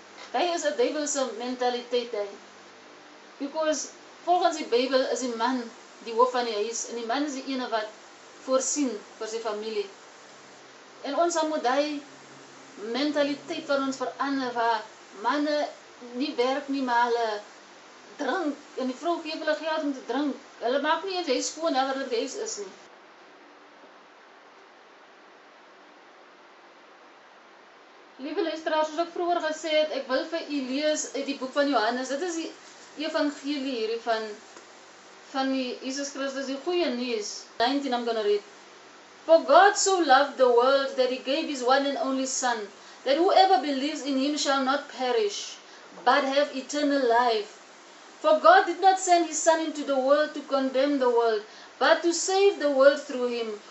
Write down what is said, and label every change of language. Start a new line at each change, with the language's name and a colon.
Afrikaans: Hy is een duivelse mentaliteit, hy.
English: Because,
Afrikaans: volgens die Bybel is die man die hoof van die huis, en die man is die ene wat voorsien vir sy familie. En ons moet die mentaliteit van ons verander, waar manne nie werk nie, maar hulle drink, en die vrou geef hulle geld om te drink. Hulle maak nie eens huis skoon, nadat hulle huis is nie. Lieve luisteraars, soos ek vroeger gesê het, ek wil vir u lees uit die boek van Johannes. Dit is die evangelie hierdie van die Jesus Christus, die goeie nuus.
English: 19, I'm gonna read. For God so loved the world that he gave his one and only son, that whoever believes in him shall not perish, but have eternal life. For God did not send his son into the world to condemn the world, but to save the world through him.